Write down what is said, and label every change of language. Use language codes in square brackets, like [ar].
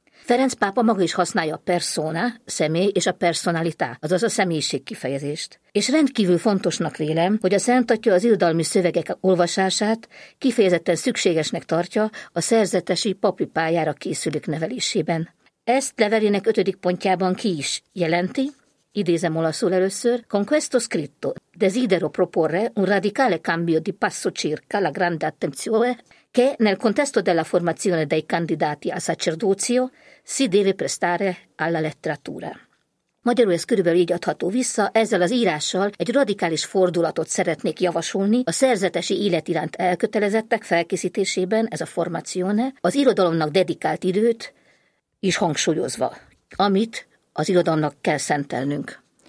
[hu] Ferenc pápa maga is használja a persona, személy és a personalitá, azaz a személyiség kifejezést. És rendkívül fontosnak vélem, hogy a Szentatya az irodalmi szövegek olvasását kifejezetten szükségesnek tartja a szerzetesi papi pályára készülők nevelésében. Ezt levelének 5. pontjában ki is jelenti, idézem olaszul először, [it] «Con questo scritto desidero proporre un radicale cambio di passo circa la grande attenzione che nel contesto della formazione dei candidati a sacerdozio si deve prestare alla letteratura». [hu] Magyarul ez körülbelül így adható vissza, ezzel az írással egy radikális fordulatot szeretnék javasolni a szerzetesi élet iránt elkötelezettek felkészítésében, ez a formazione, az irodalomnak dedikált időt is hangsúlyozva, amit az irodalomnak kell szentelnünk.